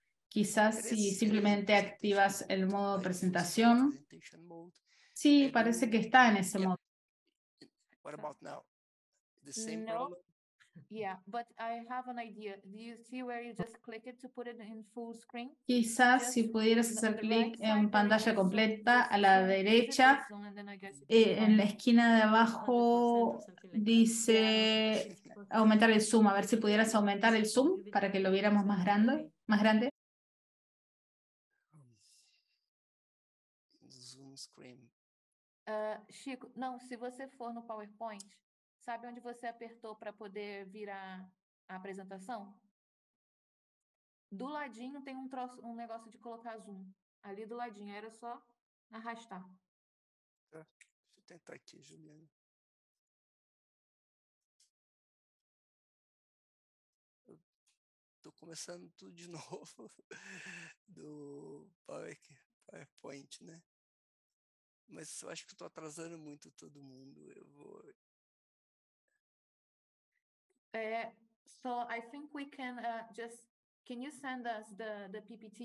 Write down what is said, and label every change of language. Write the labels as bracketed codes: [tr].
[es] Quizás si simplemente activas el modo presentación. Sí, parece que está en ese modo. [en] What about now? The same problem? Yeah, but I have an idea. Do you see where you just click it to put it in full screen? [es] Quizás si pudieras hacer clic en pantalla completa a la derecha, en la esquina de abajo dice aumentar el zoom. A ver si pudieras aumentar el zoom para que lo viéramos más grande. Más grande. [en] Zoom screen. [pt] Chico, no, si você for no PowerPoint. Sabe onde você apertou para poder virar a apresentação? Do ladinho tem um troço, um negócio de colocar zoom. Ali do ladinho, era só arrastar. Deixa eu tentar aqui, Juliana. Estou começando tudo de novo do PowerPoint, né? Mas eu acho que estou atrasando muito todo mundo. Eu vou... [en] So I think we can just can you send us the PPT?